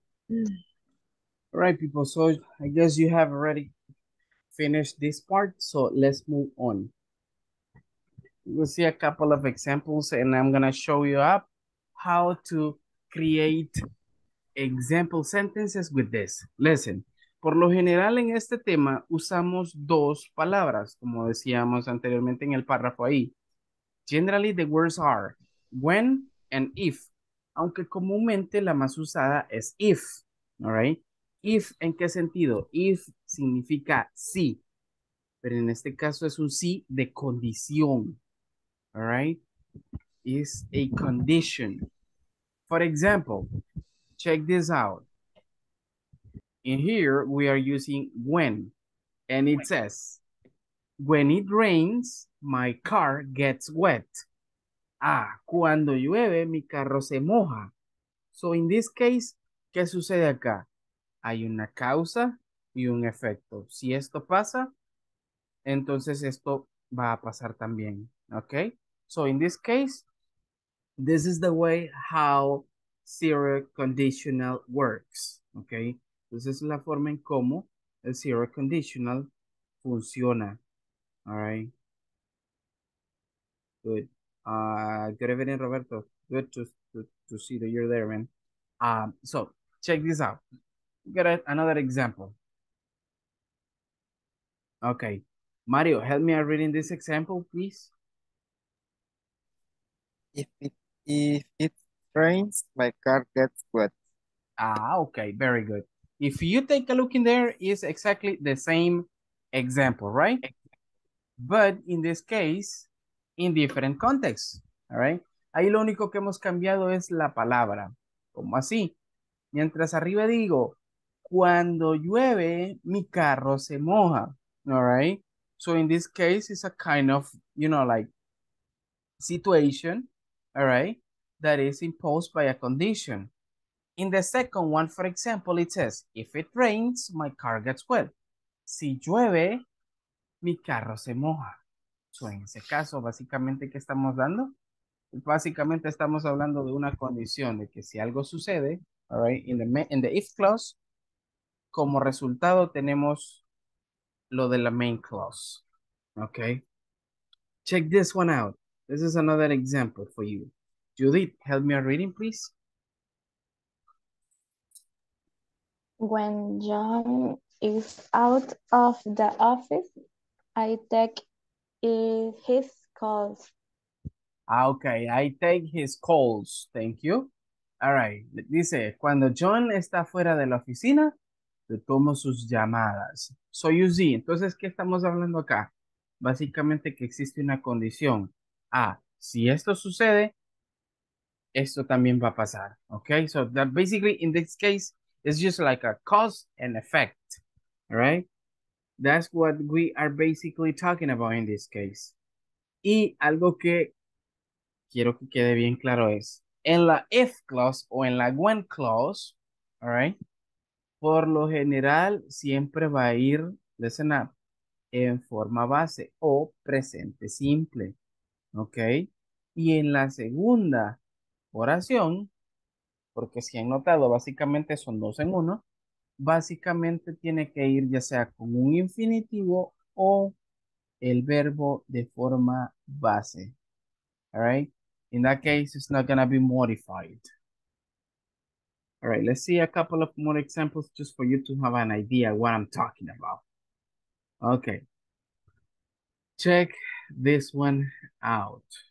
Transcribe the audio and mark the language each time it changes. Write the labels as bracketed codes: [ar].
[en] All right, people, so I guess you have already finished this part, so let's move on. We'll see a couple of examples, and I'm going to show you up how to create example sentences with this. [es] Listen, por lo general en este tema usamos dos palabras, como decíamos anteriormente en el párrafo ahí. [en] Generally, the words are when and if, [es] aunque comúnmente la más usada es if. [en] All right. [es] If, ¿en qué sentido? If significa sí. Pero en este caso es un sí de condición. [en] All right. Is a condition. For example, check this out. In here, we are using when. And it says, when it rains, my car gets wet. [es] Ah, cuando llueve, mi carro se moja. [en] So in this case, [es] ¿qué sucede acá? Hay una causa y un efecto. Si esto pasa, entonces esto va a pasar también. [en] Okay? So in this case, this is the way how zero conditional works. Okay? This is [es] la forma en cómo el zero conditional funciona. All right? [en] Good. Good evening, Roberto. Good to see that you're there, man. So, check this out. Get another example. Okay. Mario, help me out reading this example, please. If it rains, my car gets wet. Ah, okay. Very good. If you take a look in there, it's exactly the same example, right? But in this case, in different contexts, all right? [es] Ahí lo único que hemos cambiado es la palabra. ¿Cómo así? Mientras arriba digo, cuando llueve, mi carro se moja. [en] All right? So in this case, it's a kind of, you know, like, situation, all right, that is imposed by a condition. In the second one, for example, it says, if it rains, my car gets wet. [es] Si llueve, mi carro se moja. So en ese caso, básicamente, ¿qué estamos dando? Básicamente, estamos hablando de una condición, de que si algo sucede, all right, [en] in the if clause, [es] como resultado tenemos lo de la [en] main clause. Okay. Check this one out. This is another example for you. Judith, help me a reading, please. When John is out of the office, I take his calls. Okay, I take his calls. Thank you. All right. [es] Dice, cuando John está fuera de la oficina, yo tomo sus llamadas. [en] So you see, [es] entonces, ¿qué estamos hablando acá? Básicamente que existe una condición. Ah, si esto sucede, esto también va a pasar. [en] Okay, so that basically in this case, it's just like a cause and effect. All right, that's what we are basically talking about in this case. [es] Y algo que quiero que quede bien claro es, en la if clause o en la when clause, all right, por lo general siempre va a ir, [en] listen up, [es] en forma base o presente simple, ¿ok? Y en la segunda oración, porque si han notado, básicamente son dos en uno, básicamente tiene que ir ya sea con un infinitivo o el verbo de forma base, alright? [en] In that case, it's not gonna be modified. Alright, let's see a couple of more examples just for you to have an idea what I'm talking about. Okay. Check this one out.